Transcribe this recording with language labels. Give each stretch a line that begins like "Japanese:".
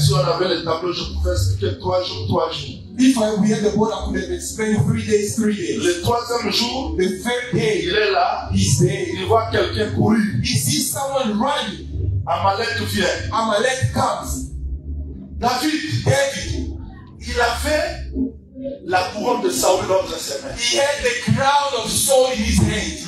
French: Si on avait les tableaux, je pouvais expliquer trois jours, trois jours.
English: If I were the board, I could have spent 3 days, 3 days.
French: Le troisième jour,
English: the third day,
French: il est là,
English: he's there.
French: Il voit quelqu'un courir.
English: He sees someone running.
French: Amalek vient.
English: Amalek comes.
French: David,
English: David,
French: il a fait la couronne de Saul dans sa main.
English: He had the crown of Saul in his hand.